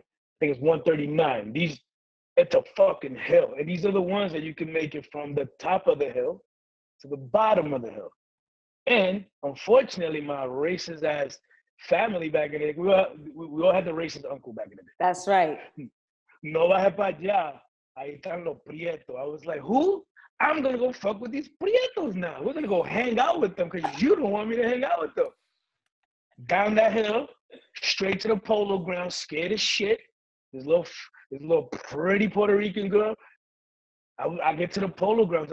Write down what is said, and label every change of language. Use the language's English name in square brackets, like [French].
[English] I think it's 139. It's a fucking hill. And these are the ones that you can make it from the top of the hill to the bottom of the hill. And unfortunately, my racist ass family back in the day, we all had the racist uncle back in the day. That's right. [Spanish] No bajé para allá, ahí están los prietos. [English] I was like, who? I'm gonna go fuck with these prietos now. We're gonna go hang out with them because you don't want me to hang out with them. Down that hill, straight to the polo ground, scared as shit. This little pretty Puerto Rican girl. I get to the polo grounds.